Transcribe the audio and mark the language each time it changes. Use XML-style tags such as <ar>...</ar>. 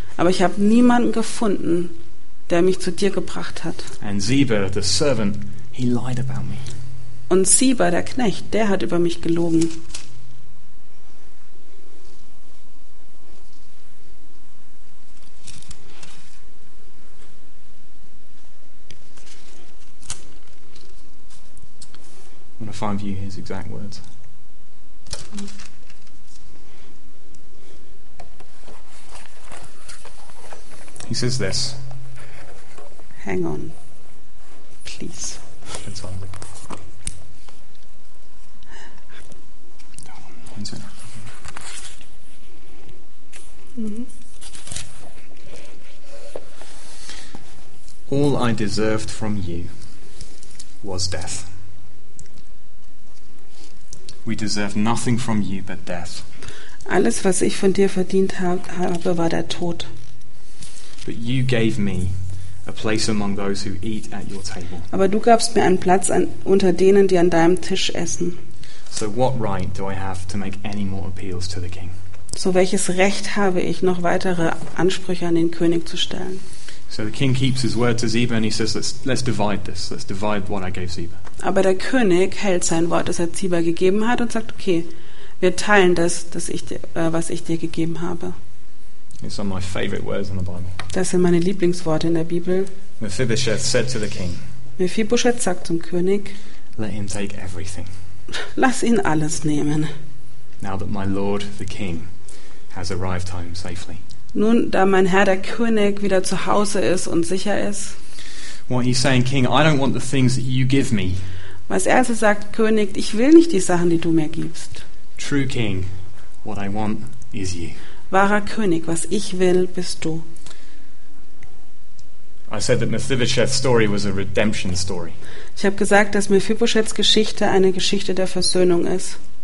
<de>Aber ich habe niemanden gefunden, der mich zu dir gebracht hat.</de> <en>And Ziba, the servant, he lied about me.</en> <de>Und Ziba, der Knecht, der hat über mich gelogen.</de> <en>I want to find you his exact words. He says this. Hang on, please. That's all. Don't want to. All I deserved from you was death. We deserve nothing from you but death.</en> <de>Alles, was ich von dir verdient habe, war der Tod.</de> <en>But you gave me a place among those who eat at your table.</en> <de>Aber du gabst mir einen Platz unter denen, die an deinem Tisch essen.</de> <en>So what right do I have to make any more appeals to the king?</en> <de>So welches Recht habe ich, noch weitere Ansprüche an den König zu stellen?</de> <en>So the king keeps his word to Ziba and he says, let's divide this. Let's divide what I gave Ziba.</en> <de>Aber der König hält sein Wort, das er Ziba gegeben hat, und sagt, okay, wir teilen was ich dir gegeben habe.</de> <en>It's one of my favorite words in the Bible.</en> <de>Das sind meine Lieblingsworte in der Bibel.</de> <en>Mephibosheth said to the king.</en> <de>Mephibosheth sagt zum König.</de> <en>Let him take everything.</en> <de>Lass ihn alles nehmen.</de> <en>Now that my lord, the king, has arrived home safely.</en> <de>Nun, da mein Herr der König wieder zu Hause ist und sicher ist.</de> <en>What he's saying, king, I don't want the things that you give me.</en> <de>Was er also sagt, König, ich will nicht die Sachen, die du mir gibst.</de> <en>True king, what I want is you.</en> <de>Wahrer König, was ich will, bist du.</de> <en>I said that Mephibosheth's story was a redemption story.</en> <de>Ich habe gesagt, dass Mephibosheths Geschichte eine Geschichte der Versöhnung ist.</de>